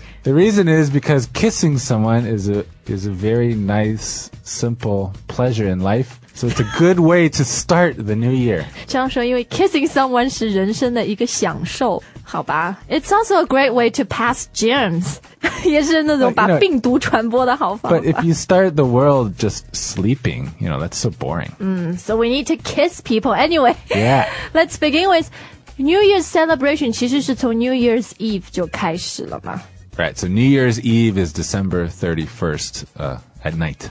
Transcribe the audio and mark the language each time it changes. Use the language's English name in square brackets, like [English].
[English] The reason is because kissing someone is a very nice, simple pleasure in life. So it's a good way to start the new year. [Chinese] 这样说，因为 [English] kissing someone [Chinese] 是人生的一个享受，好吧？ [English] It's also a great way to pass germs. [Chinese] 也是那种把病毒传播的好方法。 [English] But if you start the world just sleeping, you know, that's so boring. So we need to kiss people anyway. Yeah. Let's begin with New Year's celebration. [Chinese] 其实是从 New Year's Eve 就开始了嘛。 [English] Right, so New Year's Eve is December 31st, at night.